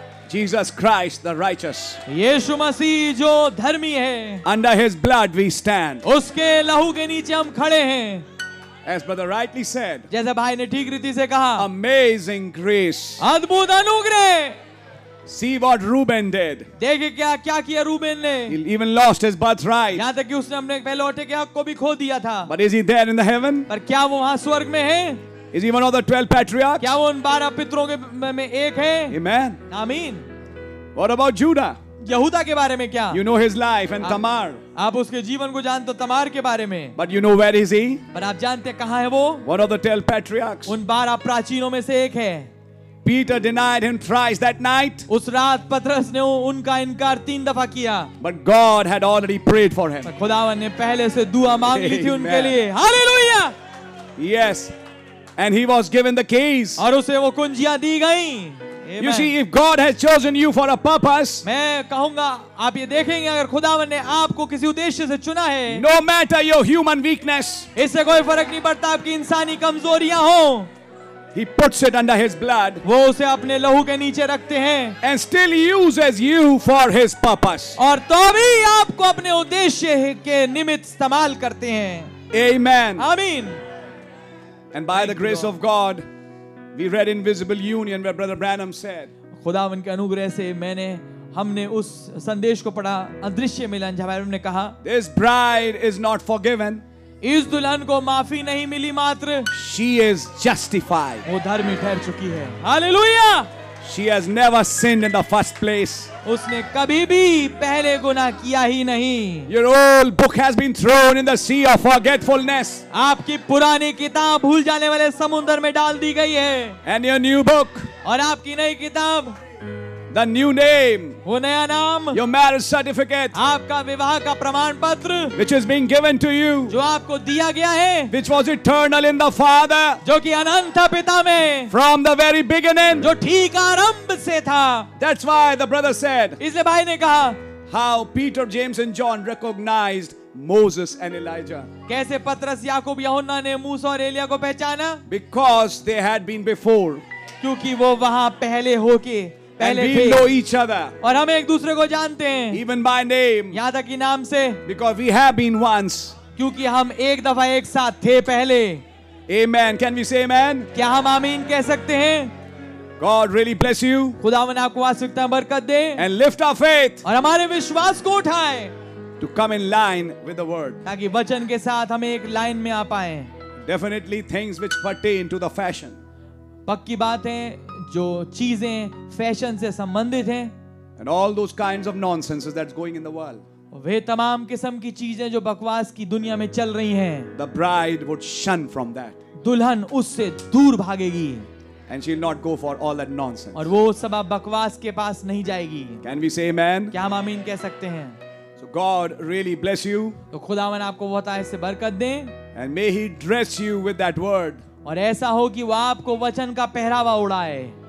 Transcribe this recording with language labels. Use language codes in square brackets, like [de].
[en] Jesus Christ, the righteous. [hi] यीशु मसीह जो धर्मी है. [en] Under His blood we stand. [hi] उसके लहू के नीचे हम खड़े हैं. [en] As brother rightly said, [hi] जैसे भाई ने ठीक रीति से कहा, [en] amazing grace, [hi] अद्भुत अनुग्रह. [en] See what Reuben did. [hi] देखे क्या क्या किया रूबेन ने. [en] He even lost his birthright. [hi] यहाँ तक कि उसने अपने पहलौठे के हक को भी खो दिया था. [en] But is he there in the heaven? [hi] पर क्या वो वहाँ स्वर्ग में है? [en] Is he one of the 12 patriarchs? [hi] क्या वो उन 12 पितरों के में एक है? [en] Amen. [hi] आमीन. [en] What about Judah? [hi] यहूदा के बारे में क्या? [en] You know his life and Tamar. [hi] आप उसके जीवन को जानते हो तमार के बारे में. [en] But you know where is he? [hi] पर आप जानते कहाँ है वो? [en] One of the 12 patriarchs. [hi] उन 12 प्राचीनों में से एक है. [en] Peter denied him thrice that night. [hi] उस रात पत्रस ने उनका इनकार 3 दफा किया. [en] But God had already prayed for him. [hi] खुदावन ने पहले से दुआ मांग ली थी उनके लिए. [en] Hallelujah. Yes. And he was given the keys. [hi] और उसे वो कुंजियां दी गईं. [en] Amen. You see, if God has chosen you for a purpose, [hi] मैं कहूँगा आप ये देखेंगे अगर खुदावन ने आपको किसी उद्देश्य से चुना है. [en] No matter your human weakness, [hi] इससे कोई फर्क नहीं पड़ता आपकी इंसानी कमजोरियाँ हो. [en] He puts it under His blood, [hi] वो उसे अपने लहू के नीचे रखते हैं. [en] And still uses you for His purpose, [hi] और तो भी आपको अपने उद्देश्य के निमित्त इस्तेमाल करते हैं. [en] Amen. [hi] आमीन. [en] And by the grace of God, we read Invisible Union where Brother Branham said, [hi] खुदावन के अनुग्रह से मैंने हमने उस संदेश को पढ़ा अदृश्य मिलन जहाँ ब्रैनम ने कहा, [en] This bride is not forgiven, [hi] इस दुल्हन को माफी नहीं मिली मात्र, [en] She is justified, [hi] वो धर्मी ठहर चुकी है. Hallelujah! [en] She has never sinned in the first place, [hi] उसने कभी भी पहले गुनाह किया ही नहीं. [en] Your old book has been thrown in the sea of forgetfulness, [hi] आपकी पुरानी किताब भूल जाने वाले समुद्र में डाल दी गई है. [en] And your new book, [hi] और आपकी नई किताब, [en] the new name, [hi] वो नया नाम, [en] your marriage certificate, [hi] आपका विवाह का प्रमाण पत्र, [en] which is being given to you, [hi] जो आपको दिया गया है, [en] which was eternal in the Father, [hi] जो कि अनंत पिता में, [en] from the very beginning, [hi] जो ठीक आरंभ से था. [en] That's why the brother said, [hi] इसलिए भाई ने कहा, [en] how Peter, James and John recognized Moses and Elijah, [hi] कैसे पत्रस याकूब यहोन्ना ने मूसा और एलिया को पहचाना, [en] because they had been before, [hi] क्योंकि वो वहां पहले होके [en] And we know each other, [hi] और हम एक दूसरे को जानते हैं, [en] even by name, [hi] यहाँ तक कि नाम से, [en] because we have been once, [hi] क्योंकि हम एक दफा एक साथ थे पहले. [en] Amen. Can we say amen? [hi] क्या हम आमीन कह सकते हैं? [en] God really bless you. [hi] खुदावन आपको आवश्यकता बरकत दे. [en] And lift our faith, [hi] और हमारे विश्वास को उठाए, [en] to come in line with the word, [hi] ताकि वचन के साथ हम एक लाइन में आ पाए. [en] Definitely things which pertain to the fashion, [hi] पक्की बात है जो चीजें फैशन से संबंधित हैं, [en] and all those kinds of nonsense that's going in the world, [hi] वे तमाम किस्म की चीजें जो बकवास की दुनिया में चल रही हैं, [en] the bride would shun from that, [hi] दुल्हन उससे दूर भागेगी, [en] and she'll not go for all that nonsense, [hi] और वो सब बकवास के पास नहीं जाएगी. [en] Can we say amen? [hi] क्या हम आमीन कह सकते हैं? [en] So God really bless you, [hi] तो खुदावन आपको बहुत ऐसे बरकत दे, [en] and may He dress you with that word, [hi] और ऐसा हो कि वो आपको वचन का पहरावा उड़ाए.